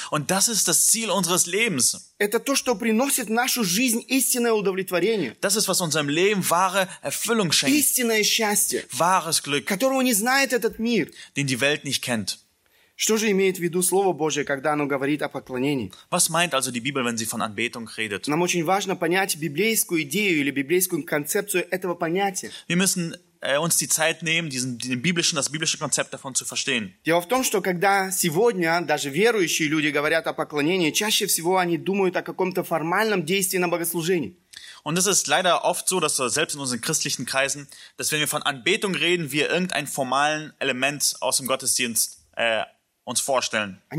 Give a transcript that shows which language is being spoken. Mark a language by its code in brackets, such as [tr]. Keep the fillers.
[de] Und das ist das Ziel unseres Lebens. [ru] Это то, что приносит нашу жизнь истинное удовлетворение. [de] Das ist, was unserem Leben wahre Erfüllung schenkt. [ru] Истинное счастье. [de] Wahres Glück. [ru] Которого не знает этот мир. [de] Den die Welt nicht kennt. [ru] Что же имеет в виду Слово Божье, когда оно говорит о поклонении? [de] Was meint also die Bibel, wenn sie von Anbetung redet? [ru] Нам очень важно понять библейскую идею или библейскую концепцию этого понятия. [de] Wir müssen äh, uns die Zeit nehmen, diesen, den biblischen, das biblische Konzept davon zu verstehen. [ru] Дело в том, что когда сегодня даже верующие люди говорят о поклонении, чаще всего они думают о каком-то формальном действии на богослужении. [de] Und es ist leider oft so, dass selbst in unseren christlichen Kreisen, dass wenn wir von Anbetung reden, wir irgendein formalen Element aus dem Gottesdienst äh, uns vorstellen.